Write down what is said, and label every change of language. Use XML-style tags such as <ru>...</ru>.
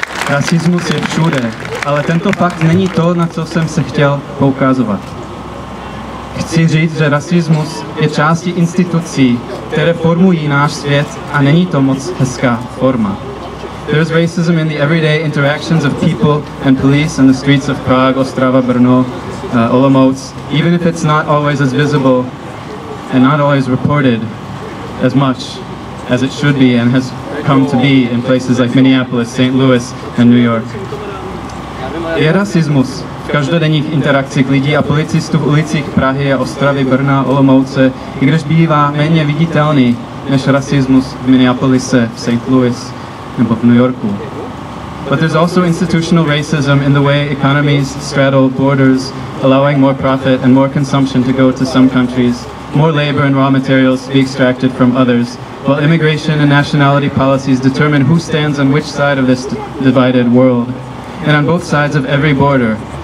<cs>Rasismus je všude, ale tento fakt není to, na co jsem se chtěl poukazovat. Chci říct, že rasismus je částí institucí, které formují náš svět, a není to moc hezká forma.</cs> <en>There's racism in the everyday interactions of people and police in the streets of Prague, Ostrava, Brno, Olomouc, even if it's not always as visible and not always reported as much as it should be and has come to be in places like Minneapolis, St. Louis and New York.</en> <cs>Je rasismus v každodenních interakcích lidí a policistů v ulicích Prahy a Ostravy, Brna, Olomouce, i když bývá méně viditelný než rasismus v Minneapolise, v St. Louis nebo v New Yorku.</cs> <en>But there's also institutional racism in the way economies straddle borders, allowing more profit and more consumption to go to some countries, more labor and raw materials to be extracted from others, while immigration and nationality policies determine who stands on which side of this divided world. And on both sides of every border,</en>